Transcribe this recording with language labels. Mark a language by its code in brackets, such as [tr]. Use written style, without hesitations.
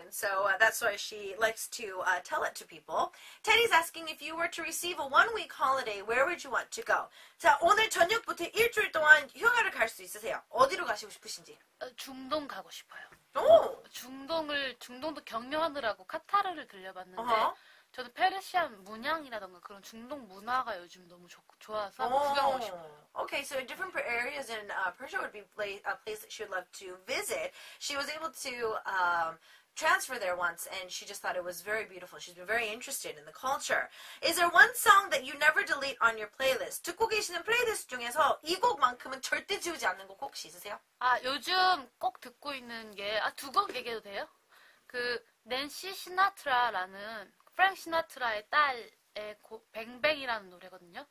[en] And so that's why she likes to tell it to people. Teddy's asking if you were to receive a 1 week holiday, where would you want to go? [ko] 자, 오늘 저녁부터 일주일 동안 휴가를 갈 수 있으세요. 어디로 가시고 싶으신지? 중동 가고 싶어요. 오! 중동도 경유하느라고 카타르를 들려봤는데 uh-huh. 저는 페르시안 문양이라던가 그런 중동 문화가 요즘 너무 좋아서 구경하고 싶어요. [en] Okay, so different areas in Persia would be a place that she would love to visit. She was able to transfer there once, and she just thought it was very beautiful. She's been very interested in the culture. Is there one song that you never delete on your playlist? [ko] 듣고 계시는 플레이리스트 중에서 이 곡만큼은 절대 지우지 않는 곡 혹시 있으세요? 아, 요즘 꼭 듣고 있는 게, 아, 두 곡 얘기해도 돼요? 그 낸시 시나트라라는 프랭크 시나트라의 딸의 곡, 뱅뱅이라는 노래거든요.